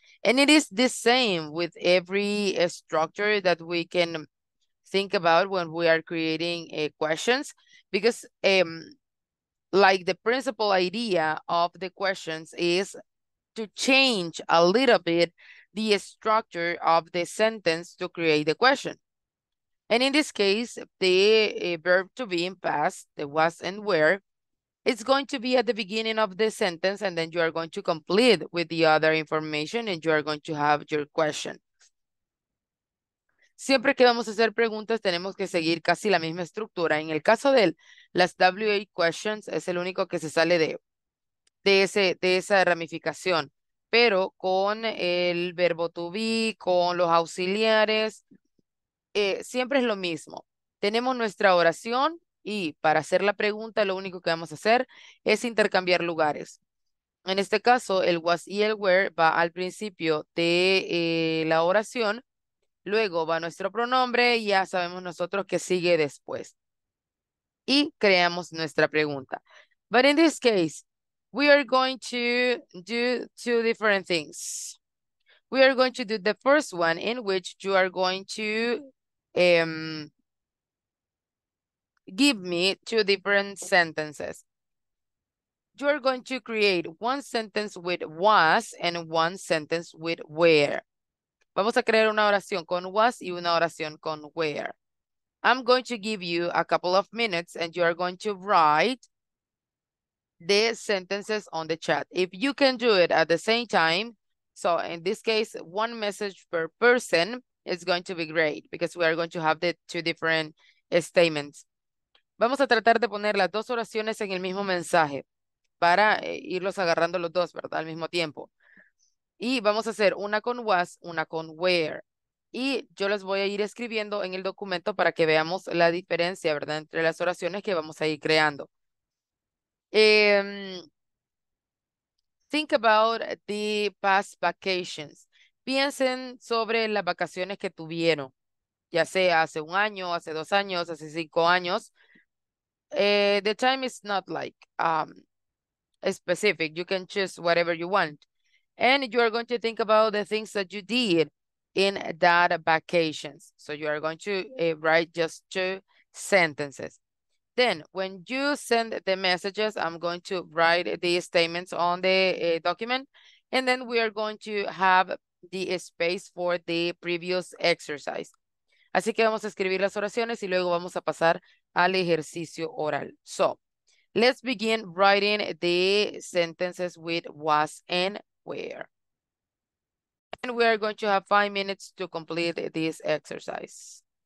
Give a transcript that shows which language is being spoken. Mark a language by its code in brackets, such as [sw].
[en] And it is the same with every structure that we can think about when we are creating questions, because like the principal idea of the questions is to change a little bit the structure of the sentence to create the question. And in this case, the verb to be in past, the was and where, it's going to be at the beginning of the sentence, and then you are going to complete with the other information and you are going to have your question. [es] Siempre que vamos a hacer preguntas, tenemos que seguir casi la misma estructura. En el caso de las WA questions, es el único que se sale de esa ramificación. Pero con el verbo to be, con los auxiliares, siempre es lo mismo. Tenemos nuestra oración y para hacer la pregunta, lo único que vamos a hacer es intercambiar lugares. En este caso, el was y el were va al principio de la oración. Luego va nuestro pronombre y ya sabemos nosotros qué sigue después. Y creamos nuestra pregunta. [en] But in this case, we are going to do two different things. We are going to do the first one in which you are going to give me two different sentences. You are going to create one sentence with was and one sentence with where. [es] Vamos a crear una oración con was y una oración con where. [en] I'm going to give you a couple of minutes and you are going to write the sentences on the chat. If you can do it at the same time, so in this case, one message per person is going to be great because we are going to have the two different statements. [es] Vamos a tratar de poner las dos oraciones en el mismo mensaje para irlos agarrando los dos, ¿verdad? Al mismo tiempo. Y vamos a hacer una con was, una con where. Y yo les voy a ir escribiendo en el documento para que veamos la diferencia, ¿verdad? Entre las oraciones que vamos a ir creando. [en] Think about the past vacations. [es] Piensen sobre las vacaciones que tuvieron. Ya sea hace un año, hace dos años, hace cinco años. [en] The time is not like specific. You can choose whatever you want. And you are going to think about the things that you did in that vacations. So you are going to write just two sentences. Then when you send the messages, I'm going to write the statements on the document. And then we are going to have the space for the previous exercise. [es] Así que vamos a escribir las oraciones y luego vamos a pasar al ejercicio oral. [en] So let's begin writing the sentences with was and where. And we are going to have 5 minutes to complete this exercice.